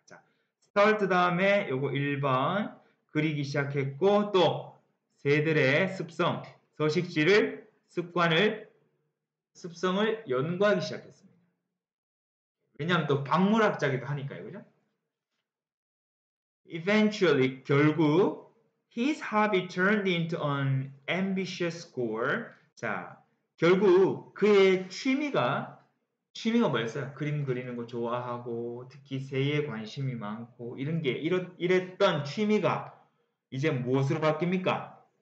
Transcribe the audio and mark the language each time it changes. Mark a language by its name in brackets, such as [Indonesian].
[Korean] 자, start 다음에 요거 1번 그리기 시작했고 또 새들의 습성, 서식지를, 습관을, 습성을 연구하기 시작했습니다. 왜냐하면 또 박물학자기도 하니까요. 그죠? [English] Eventually, 결국 His hobby turned into an ambitious goal. [Korean] 자, 결국 그의 취미가 뭐였어요? 그림 그리는 거 좋아하고 특히 새에 관심이 많고 이런 게 이랬던 취미가 이제 무엇으로 바뀝니까?